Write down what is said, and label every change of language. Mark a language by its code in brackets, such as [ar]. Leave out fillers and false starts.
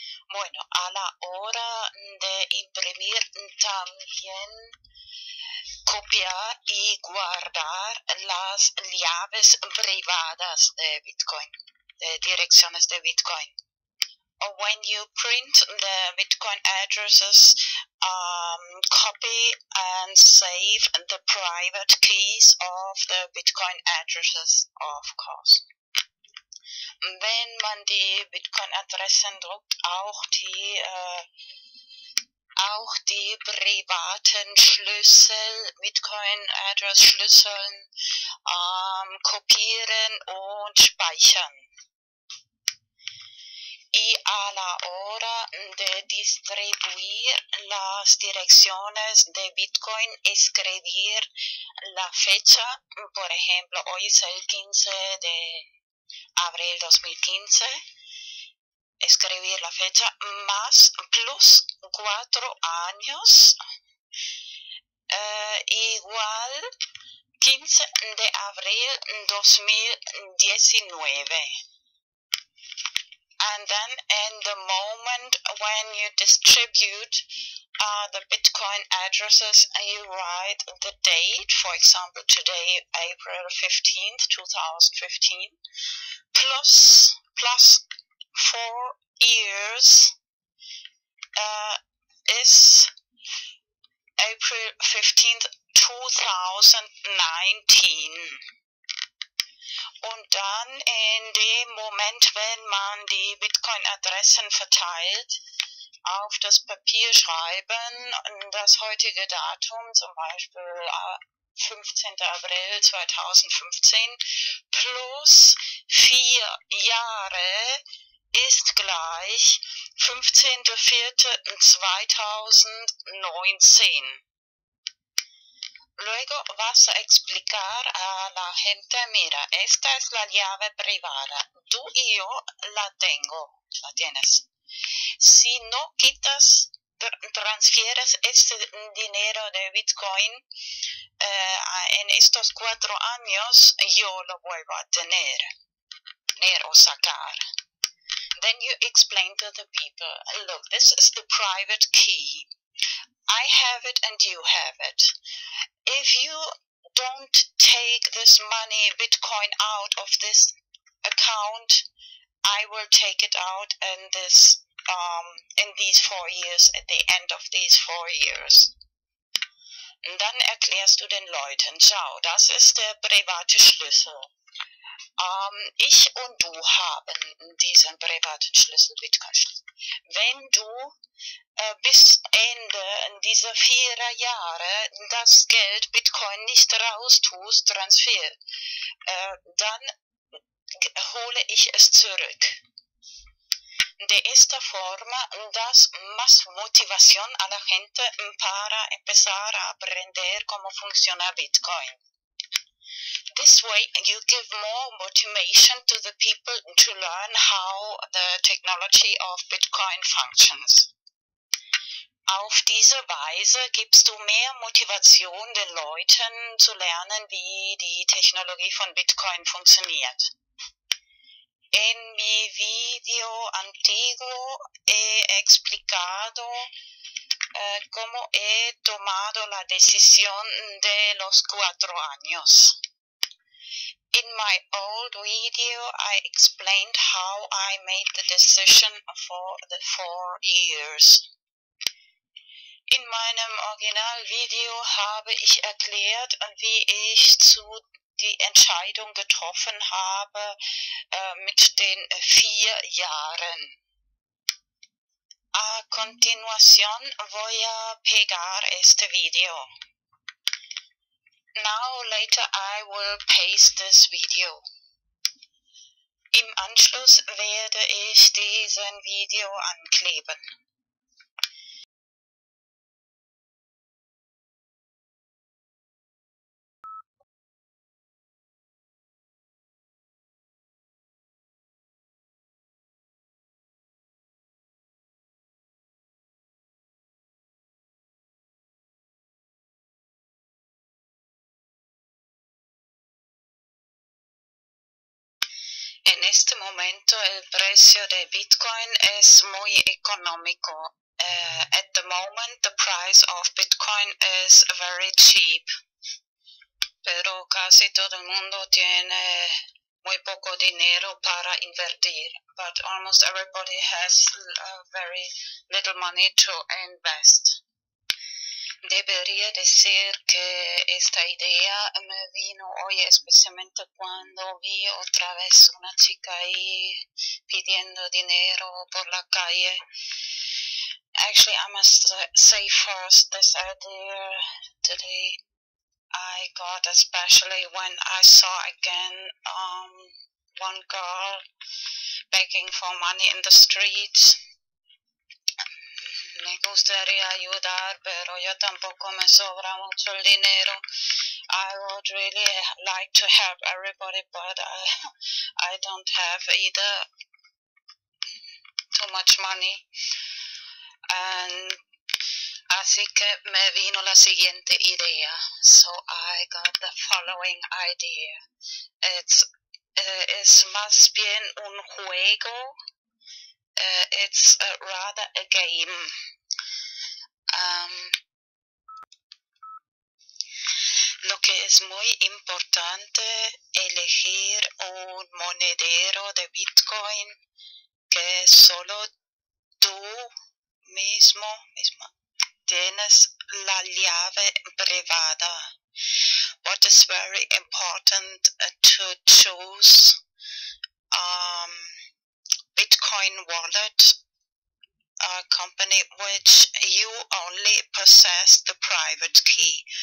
[es] Bueno, a la hora de imprimir también copiar y guardar las llaves privadas de Bitcoin, de direcciones de Bitcoin. [en] Or when you print the Bitcoin addresses, copy and save the private keys of the Bitcoin addresses, of course. [de] Wenn man die Bitcoin-Adressen druckt, auch die privaten Schlüssel, Bitcoin-Address-Schlüsseln, kopieren und speichern. [es] Y a la hora de distribuir las direcciones de Bitcoin, escribir la fecha, por ejemplo, hoy es el 15 de abril 2015, escribir la fecha más plus 4 años, igual 15 de abril 2019. [en] And then in the moment when you distribute the Bitcoin addresses, you write the date, for example, today, April 15th, 2015, plus 4 years, is April 15th, 2019. [de] Und dann in dem Moment, wenn man die Bitcoin-Adressen verteilt, auf das Papier schreiben, das heutige Datum, zum Beispiel 15. April 2015, plus 4 Jahre ist gleich 15.04.2019. [es] Luego vas a explicar a la gente, mira, esta es la llave privada. Tú y yo la tengo, la tienes. Si no quitas, transfieres este dinero de Bitcoin, en estos 4 años, yo lo vuelvo a tener o sacar. [en] Then you explain to the people, look, this is the private key. I have it and you have it. If you don't take this money, Bitcoin, out of this account, I will take it out in these 4 years, at the end of these 4 years. [de] Dann erklärst du den Leuten, schau, das ist der private Schlüssel. Ich und du haben diesen privaten Schlüssel, Bitcoin-Schlüssel. Wenn du bis Ende dieser 4 Jahre das Geld Bitcoin nicht raustust, Transfer, dann hole ich es zurück. [es] De esta forma, das más motivación a la gente para empezar a aprender cómo funciona Bitcoin. [en] This way, you give more motivation to the people to learn how the technology of Bitcoin functions. [de] Auf diese Weise gibst du mehr Motivation den Leuten zu lernen, wie die Technologie von Bitcoin funktioniert. [es] En mi video antiguo he explicado cómo he tomado la decisión de los 4 años. [en] In my old video, I explained how I made the decision for the 4 years. [de] In meinem Originalvideo habe ich erklärt, wie ich zu die Entscheidung getroffen habe mit den 4 Jahren. [es] A continuación voy a pegar este video. [en] Now later I will paste this video. [de] Im Anschluss werde ich diesen Video ankleben. [es] En este momento el precio de Bitcoin es muy económico. [en] At the moment the price of Bitcoin is very cheap. [es] Pero casi todo el mundo tiene muy poco dinero para invertir. [en] But almost everybody has very little money to invest. [es] Debería decir que esta idea me vino hoy especialmente cuando vi otra vez una chica ahí pidiendo dinero por la calle. [en] Actually, I must say first this idea today I got especially when I saw again one girl begging for money in the streets. [es] Me gustaría ayudar, pero yo tampoco me sobra mucho el dinero. [en] I would really like to help everybody, but I don't have either too much money. [es] And así que me vino la siguiente idea. [en] So I got the following idea. It's [es] más bien un juego. [en] It's rather a game. [es] Lo que es muy importante elegir un monedero de Bitcoin que solo tú mismo tienes la llave privada. [en] What is very important to choose Bitcoin wallet, a company which you only possess the private key.